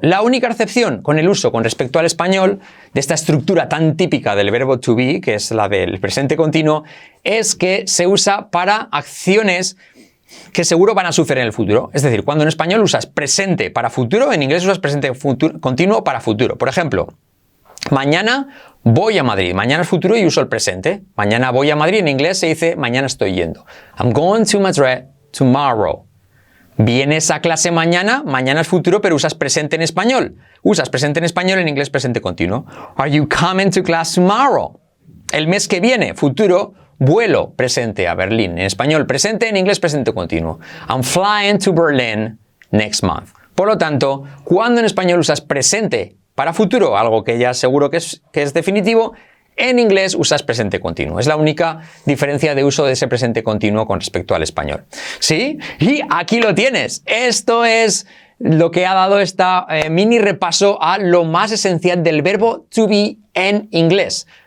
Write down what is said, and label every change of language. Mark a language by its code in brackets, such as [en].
[es] La única excepción con el uso con respecto al español de esta estructura tan típica del verbo to be, que es la del presente continuo, es que se usa para acciones que seguro van a suceder en el futuro. Es decir, cuando en español usas presente para futuro, en inglés usas presente continuo para futuro. Por ejemplo, mañana voy a Madrid. Mañana es futuro y uso el presente. Mañana voy a Madrid. En inglés se dice mañana estoy yendo. [en] I'm going to Madrid tomorrow. [es] Vienes a clase mañana. Mañana es futuro, pero usas presente en español. Usas presente en español, en inglés presente continuo. [en] Are you coming to class tomorrow? [es] El mes que viene, futuro, vuelo presente a Berlín. En español presente, en inglés presente continuo. [en] I'm flying to Berlin next month. [es] Por lo tanto, cuando en español usas presente para futuro, algo que ya seguro que es definitivo, en inglés usas presente continuo. Es la única diferencia de uso de ese presente continuo con respecto al español. ¿Sí? Y aquí lo tienes. Esto es lo que ha dado esta mini repaso a lo más esencial del verbo to be en inglés.